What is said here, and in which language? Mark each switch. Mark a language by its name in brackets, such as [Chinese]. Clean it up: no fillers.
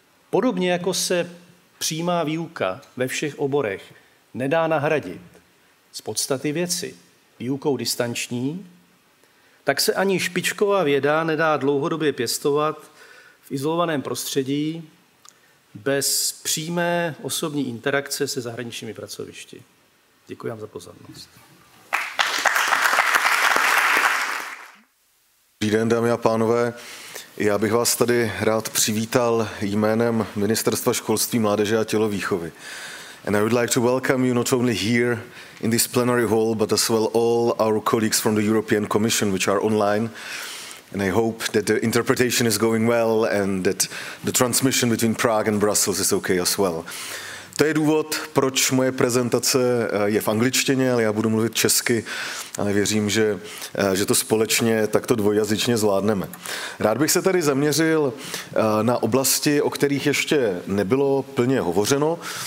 [Czech] Podobně jako se přímá výuka ve všech oborech nedá nahradit z podstaty věci výukou distanční, tak se ani špičková věda nedá dlouhodobě pěstovat v izolovaném prostředí bez přímé osobní interakce se zahraničními pracovišti. Děkuji vám za pozornost. Dobrý den, dámy a pánové. Já bych vás tady rád přivítal jménem Ministerstva školství, mládeže a tělovýchovy. [English] And I would like to welcome you not only here in this plenary hall, but as well all our colleagues from the European Commission, which are online. And I hope that the interpretation is going well and that the transmission between Prague and Brussels is okay as well. [Czech] To je důvod, proč moje prezentace je v angličtině, ale já budu mluvit česky, ale věřím, že to společně takto dvojjazyčně zvládneme. Rád bych se tady zaměřil na oblasti, o kterých ještě nebylo plně hovořeno,